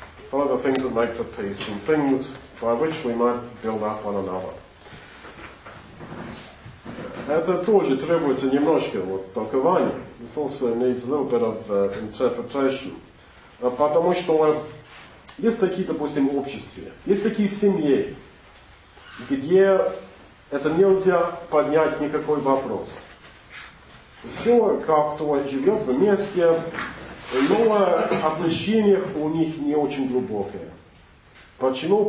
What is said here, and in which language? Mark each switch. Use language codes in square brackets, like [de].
[en] Follow the things that make for peace and things by which we might build up one another. [ru] Это тоже требуется немножко толкования. [en] This also needs a little bit of interpretation. [ru] Потому что есть такие, допустим, общества, есть такие семьи, где это нельзя поднять никакой вопрос. Все как-то живет вместе, но отношения у них не очень глубокие. Почему?